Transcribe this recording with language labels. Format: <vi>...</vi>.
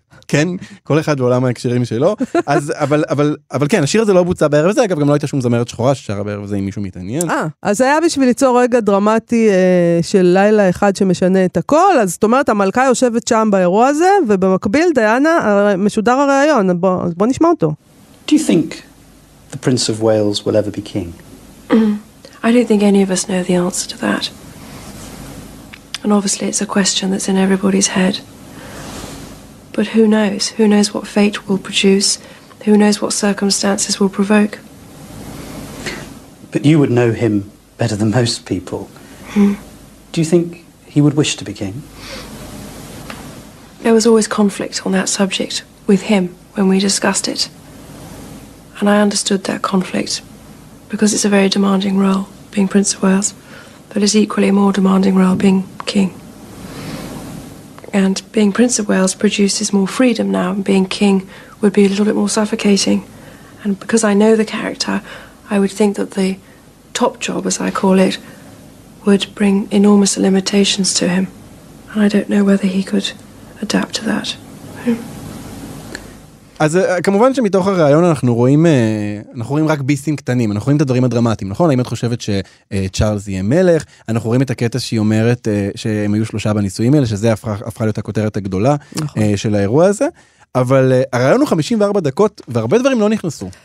<he>כן, כל אחד בעולם ההקשרים שלו, אז, אבל כן, השיר הזה לא בוצע בערב הזה, אגב גם לא הייתה שום זמרת שחורה ששרה בערב הזה עם מישהו מתעניין. אז היה בשביל ליצור רגע דרמטי של לילה אחד שמשנה את הכל, אז זאת אומרת, המלכה יושבת שם באירוע הזה, ובמקביל, דיינה, משודר הרעיון, אז בוא נשמע אותו.</he> <en>Do you think the Prince of Wales will ever be king? I don't think any of us know the answer to that. And obviously it's a question that's in everybody's head. But who knows? Who knows what fate will produce? Who knows what circumstances will provoke? But you would know him better than most people. Do you think he would wish to be king? There was always conflict on that subject with him when we discussed it. And I understood that conflict because it's a very demanding role, being Prince of Wales, but it's equally a more demanding role, being king. And being Prince of Wales produces more freedom now, and being king would be a little bit more suffocating. And because I know the character, I would think that the top job, as I call it, would bring enormous limitations to him. And I don't know whether he could adapt to that.</en> <he>אז כמובן שמתוך הרעיון אנחנו רואים רק ביסים קטנים, אנחנו רואים את הדברים הדרמטיים, נכון? האם את חושבת שצ'ארלס יהיה מלך? אנחנו רואים את הקטע שהיא אומרת שהם היו שלושה בניסויים האלה, שזה הפכה להיות הכותרת הגדולה נכון. של האירוע הזה. אבל הרעיון הוא 54 דקות, והרבה דברים לא נכנסו.</he>